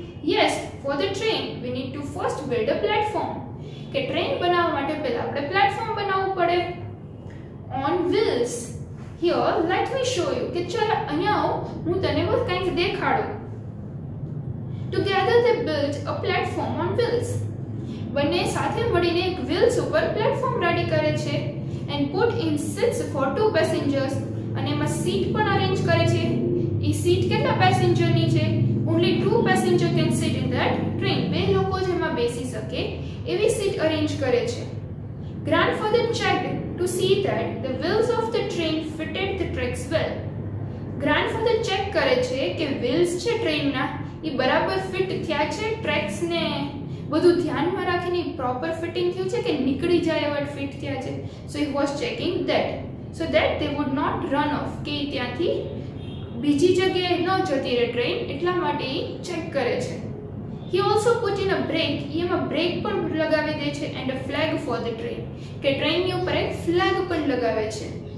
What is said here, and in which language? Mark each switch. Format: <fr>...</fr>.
<en>yes for the train we need to first build a platform</en> <gu>કે train બનાવવા માટે પહેલા આપણે પ્લેટફોર્મ બનાવવું પડે</gu> <en>on wheels here let me show you</en> <gu>કે ચાલ અહીંયા આવ હું તને કંઈક દેખાડું</gu> <en>Together they built a platform on wheels.</en> <gu>બંને સાથે મળીને એક wheels ઉપર platform રેડી કરે છે</gu> <en>and put in seats for two passengers</en> <gu>અને એમાં સીટ પણ અરેન્જ કરે છે. એ સીટ કેટલા પેસેન્જર ની છે?</gu> <en>Only two passenger can sit in that train.</en> <gu>બે લોકો જ એમાં બેસી શકે એવી સીટ અરેન્જ કરે છે.</gu> <en>Grandfather checked to see that the wheels of the train fitted the tracks well.</en> <gu>Grandfather check કરે છે કે wheels છે ટ્રેનના એ બરાબર ફિટ થયા છે ટ્રેક્સને બધું ધ્યાનમાં રાખીને પ્રોપર ફિટિંગ થયું છે કે નીકળી જાય એવા ફિટ થયા છે</gu> <en>so he was checking that so that they would not run off</en> <gu>કે ત્યાંથી બીજી જગ્યાએ ન જતી રહે ટ્રેન એટલા માટે એ ચેક કરે છે</gu> <en>he also put in a brake</en> <gu>એમાં બ્રેક પણ લગાવી દે છે</gu> <en>and a flag for the train</en> <gu>કે ટ્રેનની ઉપર એક ફ્લેગ પણ લગાવે છે</gu>